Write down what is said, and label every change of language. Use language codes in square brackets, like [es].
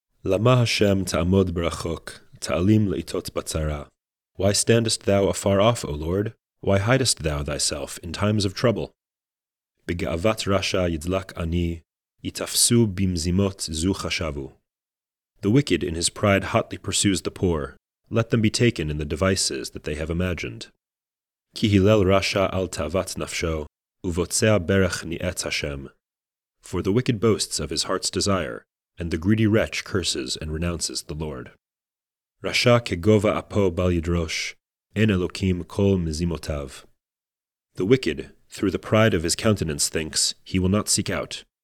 [he] למה השם תעמוד ברחוק, תעלים לעיתות בצרה? [en] Why standest thou afar off, O Lord? Why hidest thou thyself in times of trouble? [he] בגאוות רשע ידלק אני, יתפסו במזימות זו חשבו. [en] The wicked in his pride hotly pursues the poor. Let them be taken in the devices that they have imagined. [he] כי הלל רשע על תאוות נפשו, ובוצע ברך ניאץ השם. [en] For the wicked boasts of his heart's desire, and the greedy wretch curses and renounces the Lord. [he] Rasha kegova apo bal yidrosh, en Elokim kol mizimotav. [en] The wicked, through the pride of his countenance, thinks he will not seek out.